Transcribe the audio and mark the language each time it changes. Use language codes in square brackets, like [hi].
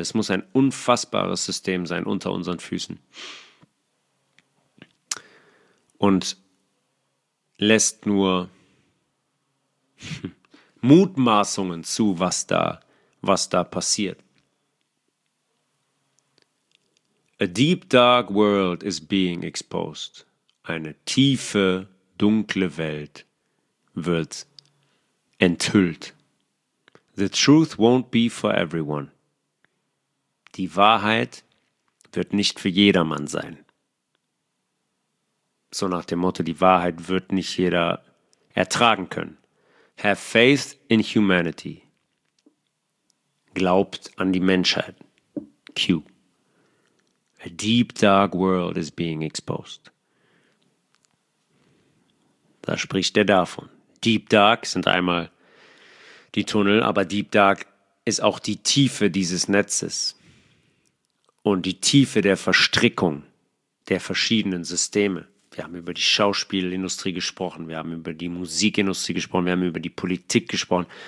[de] Es muss ein unfassbares System sein unter unseren Füßen. Und lässt nur Mutmaßungen zu, was da passiert. [en] A deep dark world is being exposed. [de] Eine tiefe, dunkle Welt wird enthüllt. [en] The truth won't be for everyone. [de] Die Wahrheit wird nicht für jedermann sein. So nach dem Motto, die Wahrheit wird nicht jeder ertragen können. [en] Have faith in humanity. [de] Glaubt an die Menschheit. Q. [en] A deep dark world is being exposed. [de] Da spricht er davon. Deep dark sind einmal die Tunnel, aber deep dark ist auch die Tiefe dieses Netzes und die Tiefe der Verstrickung der verschiedenen Systeme. Wir haben über die Schauspielindustrie gesprochen, wir haben über die Musikindustrie gesprochen, wir haben über die Politik gesprochen.